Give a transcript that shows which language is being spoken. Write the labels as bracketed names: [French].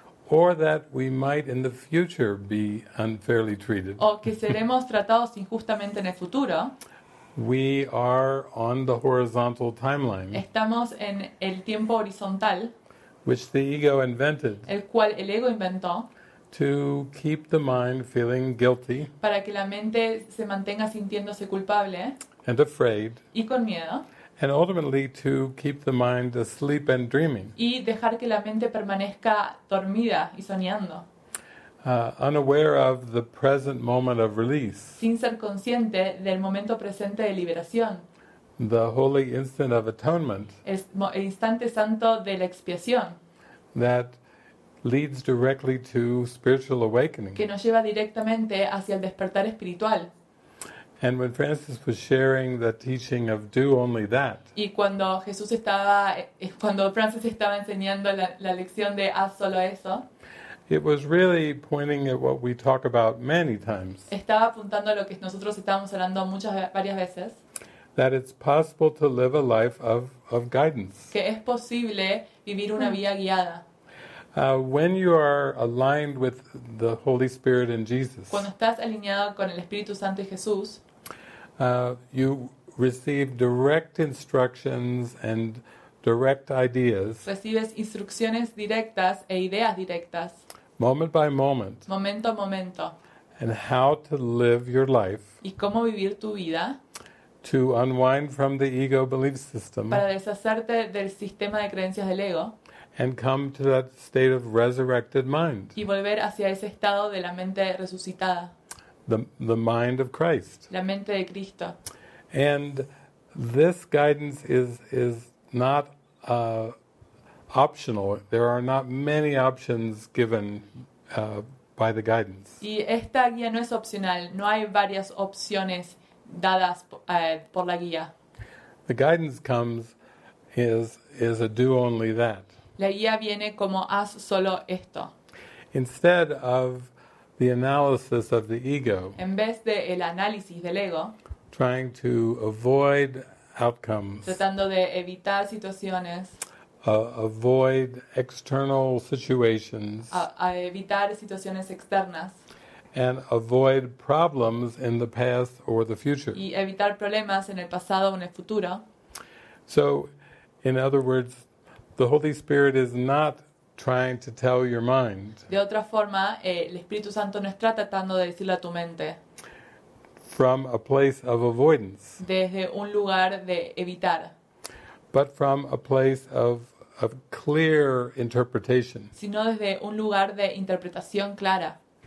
[English] or that we might in the future be unfairly treated, [Spanish] o que seremos tratados injustamente en el futuro, [English] we are on the horizontal timeline, [Spanish] estamos en el tiempo horizontal, [English] which the ego invented, [Spanish] el cual el ego inventó, [English] to keep the mind feeling guilty, [Spanish] para que la mente se mantenga sintiéndose culpable, [English] and afraid, [Spanish] y con miedo, [English] and ultimately to keep the mind asleep and dreaming. [Spanish] Y dejar que la mente permanezca dormida y soñando. [English] Unaware of the present moment of release. [Spanish] Sin ser consciente del momento presente de liberación. [English] The holy instant of atonement. [Spanish] El instante santo de la expiación. [English] That leads directly to spiritual awakening. [Spanish] Que nos lleva directamente hacia el despertar espiritual. [English] And when Francis was sharing the teaching of do only that. [Spanish] Y cuando Jesús estaba, cuando Francis estaba enseñando la lección de haz solo eso. [English] It was really pointing at what we talk about many times. [Spanish] Estaba apuntando a lo que nosotros estábamos hablando muchas varias veces. [English] That it's possible to live a life of guidance. [Spanish] Que es posible vivir una vida guiada. [English] When you are aligned with the Holy Spirit and Jesus, [Spanish] cuando estás alineado con el Espíritu Santo y Jesús, [English] you receive direct instructions and direct ideas. [Spanish] Recibes instrucciones directas e ideas directas. [English] Moment by moment. [Spanish] Momento a momento. [English] And how to live your life. [Spanish] Y cómo vivir tu vida. [English] to unwind from the ego belief system. [Spanish] Para deshacerte del sistema de creencias del ego. [English] And come to that state of resurrected mind. [Spanish] Y volver hacia ese estado de la mente resucitada. [English] The mind of Christ. [Spanish] La mente de Cristo. [English] And this guidance is not optional. There are not many options given by the guidance. [Spanish] Y esta guía no es opcional. No hay varias opciones dadas por la guía. [English] The guidance comes is a do only that. [Spanish] La guía viene como haz solo esto. [English] Instead of the analysis of the ego. [Spanish] En vez de el análisis del ego. [English] Trying to avoid outcomes. [Spanish] Tratando de evitar situaciones. [English] Avoid external situations. [Spanish] A evitar situaciones externas. [English] And avoid problems in the past or the future. [Spanish] Y evitar problemas en el pasado o en el futuro. [English] So, in other words, the Holy Spirit is not trying to tell your mind. [Spanish] De otra forma, el Espíritu Santo no está tratando de decirle a tu mente. [English] From a place of avoidance. [Spanish] Desde un lugar de evitar. [English] But from a place of clear interpretation. [Spanish] Sino desde un lugar de interpretación clara.